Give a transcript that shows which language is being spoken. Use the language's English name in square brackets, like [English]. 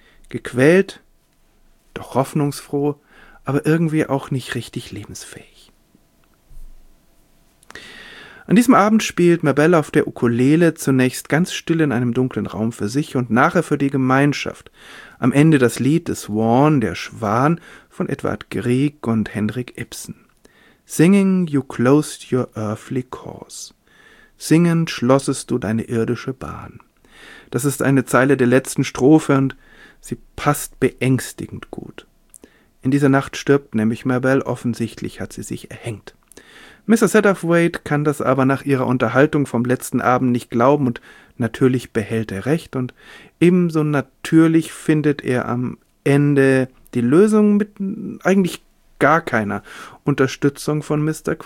[German] Gequält, doch hoffnungsfroh, aber irgendwie auch nicht richtig lebensfähig. An diesem Abend spielt Mabel auf der Ukulele zunächst ganz still in einem dunklen Raum für sich und nachher für die Gemeinschaft. Am Ende das Lied des Swan, der Schwan, von Edvard Grieg und Henrik Ibsen. [English] Singing, you closed your earthly course. [German] Singend schlossest du deine irdische Bahn. Das ist eine Zeile der letzten Strophe und sie passt beängstigend gut. In dieser Nacht stirbt nämlich Mabel, offensichtlich hat sie sich erhängt. Mr. Satterthwaite kann das aber nach ihrer Unterhaltung vom letzten Abend nicht glauben und natürlich behält er recht und ebenso natürlich findet er am Ende die Lösung mit eigentlich gar keiner Unterstützung von Mr.